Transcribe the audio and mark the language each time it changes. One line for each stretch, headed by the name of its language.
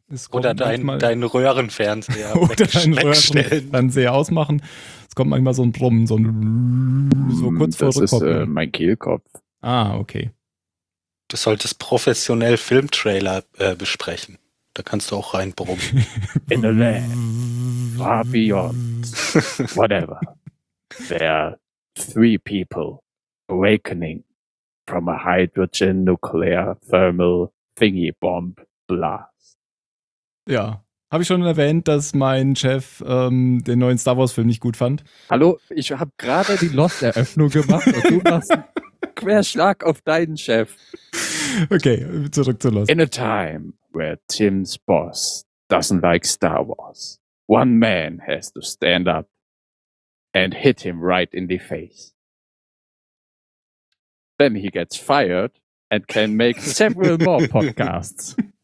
German: Oder deinen Röhrenfernseher oder deinen Röhrenfernseher ausmachen. Es kommt manchmal so ein Brummen, so kurz vor Rückkopf. Das ist mein Kehlkopf. Ah, okay. Du solltest professionell Filmtrailer besprechen. Da kannst du auch reinbrummen.
English: In the land, far beyond, whatever. There are three people awakening from a hydrogen nuclear thermal thingy bomb blast.
German: Ja, habe ich schon erwähnt, dass mein Chef den neuen Star Wars Film nicht gut fand. Hallo, ich habe gerade die Lost-Eröffnung gemacht und du machst einen Querschlag auf deinen Chef. Okay, zurück zu Lost.
English: In a time where Tim's boss doesn't like Star Wars, one man has to stand up and hit him right in the face. Then he gets fired and can make several more podcasts.